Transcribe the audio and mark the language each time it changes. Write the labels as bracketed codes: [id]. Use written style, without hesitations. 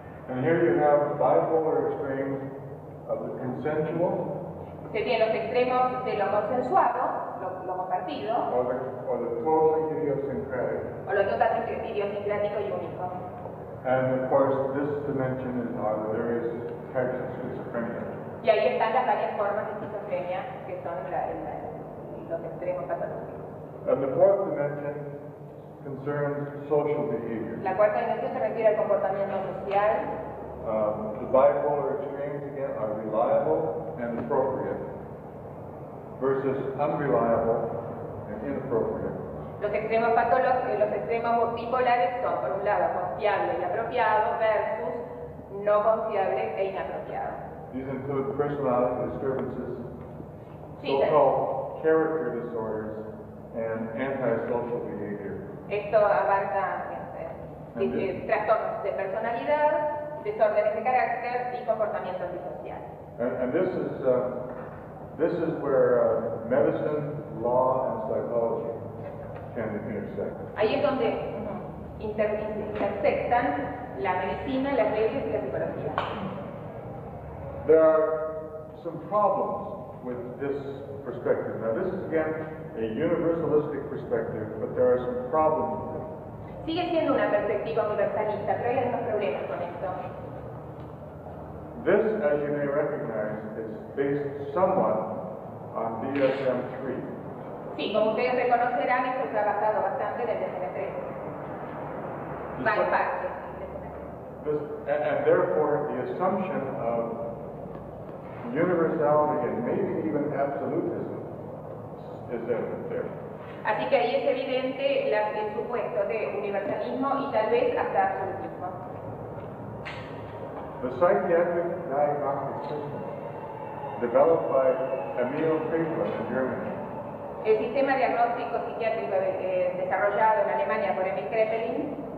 [en] And here you have the bipolar extremes of the consensual. [es] Se tiene los extremos de lo consensuado, lo compartido. [en] Or the totally idiosyncratic. [es] O lo totalmente idiosincrático y único. [en] And of course, this dimension is the various types of schizophrenia. [es] Y ahí están las varias formas de esquizofrenia que son los extremos patológicos. [en] And the fourth dimension concerns social behavior. [es] La cuarta dimensión se refiere al comportamiento social. [en] The bipolar extremes again are reliable and appropriate versus unreliable and inappropriate. [es] Los extremos bipolares son, por un lado, confiable y apropiado versus no confiable e inapropiado. [en] These include personality disturbances, so-called. character disorders and antisocial behavior. [es] Esto abarca trastornos de personalidad, desórdenes de carácter y comportamiento antisocial. [en] And this is where medicine, law, and psychology can intersect. [es] Ahí es donde intersectan la medicina, las leyes y la psicología. [en] There are some problems with this perspective. Now, this is again a universalistic perspective, but there are some problems with it. [es] Sigue siendo una perspectiva universalista, pero hay algunos problemas con esto. [en] This, as you may recognize, is based somewhat on DSM-3. [es] Sí, como ustedes reconocerán, esto está basado bastante en el DSM-3. Va en parte. [en] This, and therefore, the assumption of universality and maybe even absolutism is evident there. [es] Así que ahí es evidente la, el supuesto de universalismo y tal vez hasta absolutismo. [en] The psychiatric diagnostic system developed by Emil Friedman in Germany. [es] El sistema diagnóstico psiquiátrico desarrollado en Alemania por Emil Kreppelin.